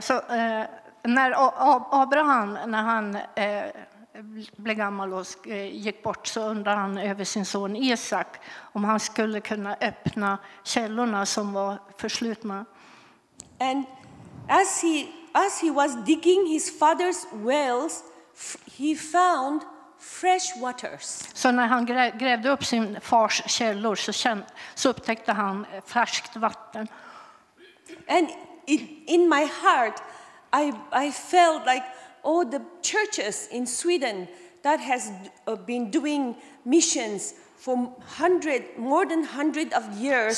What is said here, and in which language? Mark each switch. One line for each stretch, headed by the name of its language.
Swedish: So när Abraham, när han blev gammal och gick bort, så undrar han över sin son Isaac om han skulle kunna öppna källorna som var förslutna.
English: And as he was digging his father's wells, he found fresh waters.
Swedish: Så när han grävde upp sin fars källor, så upptäckte han färskt vatten.
English: And in my heart I felt like, oh, the churches in Sweden that has been doing missions for more than 100 of years.